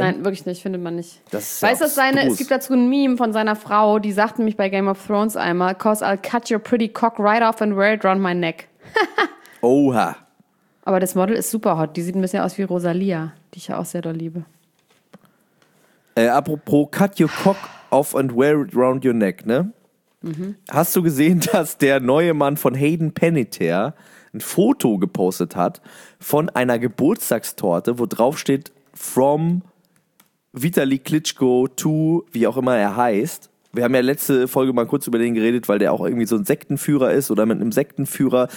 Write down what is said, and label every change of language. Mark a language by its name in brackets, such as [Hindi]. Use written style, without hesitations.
[German] Nein, wirklich nicht, findet man nicht. Das ist weißt du, seine, es gibt dazu ein Meme von seiner Frau, die sagt nämlich bei Game of Thrones einmal, [English] 'cause I'll cut your pretty cock right off and wear it round my neck. [German] Oha. Aber das Model ist super hot, die sieht ein bisschen aus wie Rosalia, die ich ja auch sehr doll liebe. [English] Apropos, cut your cock off and wear it round your neck, ne? Mhm. [German] Hast du gesehen, dass der neue Mann von Hayden Panettiere ein Foto gepostet hat von einer Geburtstagstorte, wo drauf steht from Vitali Klitschko to wie auch immer er heißt. Wir haben ja letzte Folge mal kurz über den geredet, weil der auch irgendwie so ein Sektenführer ist oder mit einem Sektenführer.